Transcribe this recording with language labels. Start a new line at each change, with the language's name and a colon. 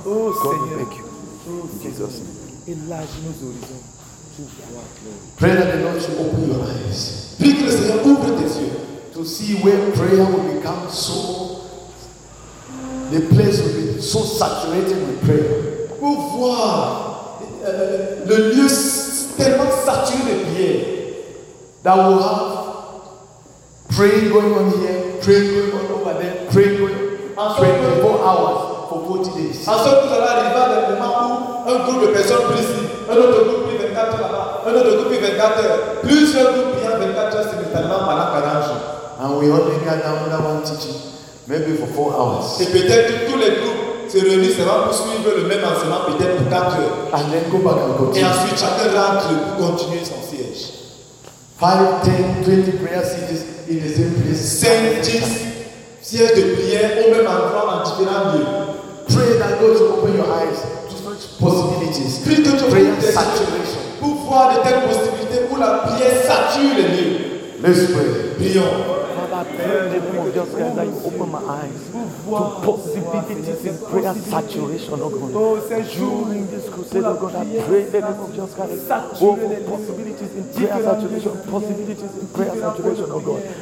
English: God, we beg you. In Jesus' name.
French: Enlarge nos horizons.
English: Pray that the Lord should open your eyes. Pray that the
French: Seigneur ouvre tes yeux.
English: To see where prayer will become so. The place will be so saturated with prayer.
French: Pour voir le lieu tellement saturé de prière.
English: That will have praying going on here, praying going on over there, praying going on. 24 hours for 40 days.
French: En sorte que nous allons arriver à un moment où un groupe de personnes prie ici, un autre groupe prie 24 heures là-bas, un autre groupe prie 24 heures, plusieurs groupes priant 24 heures simultanément pendant 40 jours.
English: And we only got another one teaching. Maybe for 4 hours.
French: Et peut-être que tous les groupes se réunissent pour suivre le même enseignement, peut-être pour 4 heures.
English: And then go back and continue.
French: Et ensuite, chacun rentre pour continuer son siège.
English: 5, 10, 20 prayer sièges in the same place.
French: 5, 10 sièges de prière au même endroit en différents lieux.
English: Pray that God will open your eyes to such possibilities.
French: Prie que tu
English: prayer saturation.
French: Pour voir de telles possibilités où la prière sature les lieux.
English: Let's pray.
French: Prions.
English: In the name of Jesus Christ, that you open my eyes to possibilities in prayer saturation, oh God. During this crusade, oh God, I pray in the name of Jesus Christ, open possibilities in prayer saturation, possibilities in prayer saturation, oh God.